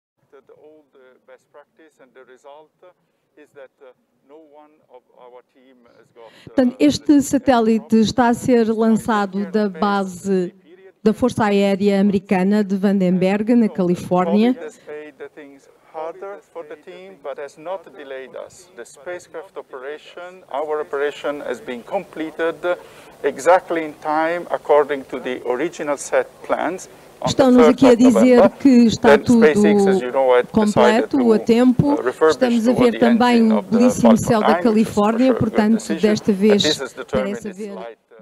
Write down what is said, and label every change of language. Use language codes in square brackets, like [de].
[en] The old best practice and the result is that no one of our team has got. [pt] Portanto, este satélite está a ser lançado da base da Força Aérea Americana de Vandenberg, na Califórnia. [en] Harder for the team, but has not delayed us. The spacecraft operation, our operation has been completed exactly in time according to the original set plans. [pt] Estão-nos aqui a dizer que está tudo completo, a tempo. Estamos a ver também o belíssimo céu da Califórnia, portanto, desta vez parece haver.